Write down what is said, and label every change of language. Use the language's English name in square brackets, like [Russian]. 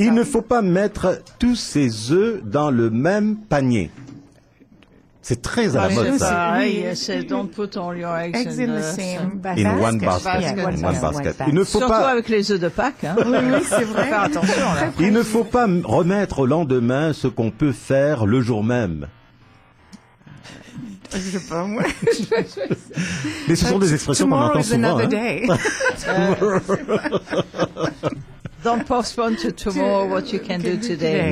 [French] il ne faut pas mettre tous ses œufs dans le même panier. C'est très à la mode, ça. C'est [English] don't put all your eggs in the same basket. In one basket. [French] Il ne faut surtout pas... avec les œufs de Pâques. Hein. Oui, c'est vrai. Faire attention. Là. Il ne faut pas remettre au lendemain ce qu'on peut faire le jour même. Je sais pas, moi. Mais ce sont des expressions qu'on entend souvent. [English] Tomorrow is another day. Don't postpone to tomorrow what you can do today.